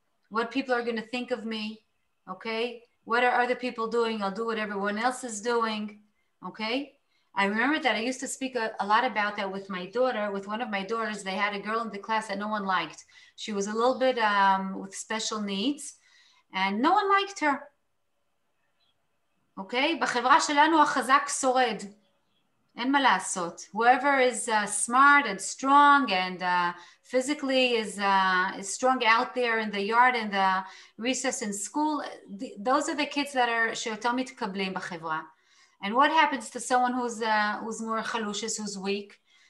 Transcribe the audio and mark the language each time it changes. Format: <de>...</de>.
<en>What people are going to think of me, okay? What are other people doing? I'll do what everyone else is doing, okay? I remember that I used to speak a lot about that with my daughter. With one of my daughters, they had a girl in the class that no one liked. She was a little bit with special needs. And no one liked her.</en> <he>Okay? בחברה שלנו החזק שורד. אין מה לעשות.</he> <en>Whoever is smart and strong and physically is strong out there in the yard and the recess in school, those are the kids that are</en> <he>שיותר מתקבלים בחברה.</he> <en>And what happens to someone who's more chalushes, who's weak?</en>